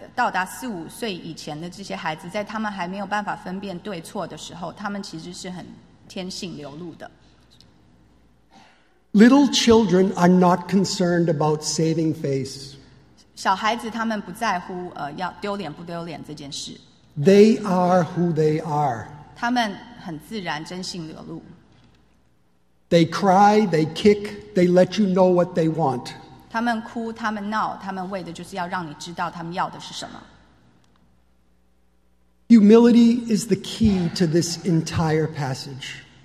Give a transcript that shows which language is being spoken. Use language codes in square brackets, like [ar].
[zh] 耶稣在这里是指大概到达四五岁以前的这些孩子, 在他们还没有办法分辨对错的时候, 他们其实是很天性流露的。 [en] Little children are not concerned about saving face. [zh] 小孩子他们不在乎, 要丢脸不丢脸这件事。 [en] They are who they are. [zh] 他们很自然真性流露。 [en] They cry, they kick, they let you know what they want. [zh] 他们哭,他们闹,他们为的就是要让你知道他们要的是什么。 [en] Humility is the key to this entire passage.